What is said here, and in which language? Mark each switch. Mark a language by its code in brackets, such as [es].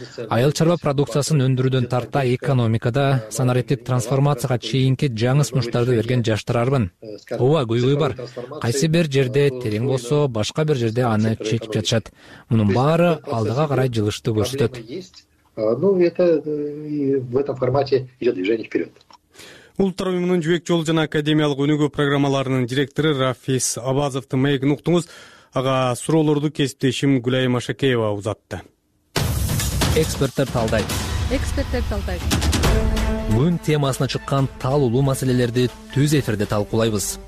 [ky] Айыл чарба продукциясын өндүрүүдөн тарта экономикада санариттик трансформацияга чейинки жаңы сунуштарды берген жаштар арбын. Ооба, көйгөй бар. Кайсы бир жерде терең болсо, башка бир жерде аны чечип жатышат. Мунун баары алдыга карай жылышты көрсөтөт. [ru] В этом формате идет движение вперед. [ky] Улуттар уюмунун Жүрөк жолу жана академиялык өнүгүү программаларынын директору Рафис Абазовду маегин уктуңуз. Ага суроолорду кесиптешим Гүлайым Ашакеева узатты. Эксперттер талдайт. Эксперттер талдайт. Күн темасына чыккан таалуулуу маселелерди түз эфирде талкуулайбыз.